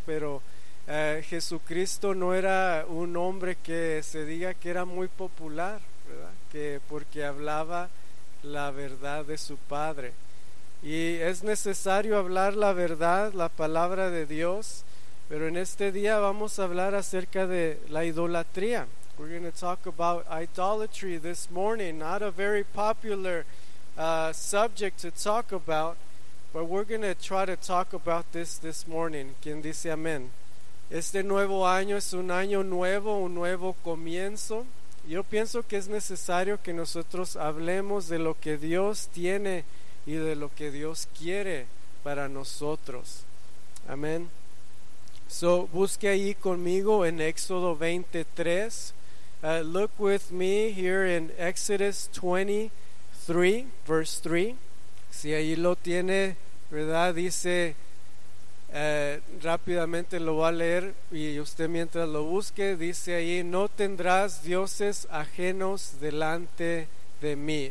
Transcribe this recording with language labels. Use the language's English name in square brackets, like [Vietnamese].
[Spanish] Pero Jesucristo no era un hombre que se diga que era muy popular, ¿verdad? Que porque hablaba la verdad de su Padre. Y es necesario hablar la verdad, la palabra de Dios. Pero en este día vamos a hablar acerca de la idolatría. [English] We're going to talk about idolatry this morning. Not a very popular subject to talk about. But we're going to try to talk about this morning. [Spanish] ¿Quién dice amén? Este nuevo año es un año nuevo, un nuevo comienzo. Yo pienso que es necesario que nosotros hablemos de lo que Dios tiene y de lo que Dios quiere para nosotros. Amén. So, busque ahí conmigo en Éxodo 23. [English] Look with me here in Exodus 23, verse 3. [Spanish] Si ahí lo tiene, ¿verdad? Dice, rápidamente lo va a leer y usted mientras lo busque, dice ahí, no tendrás dioses ajenos delante de mí.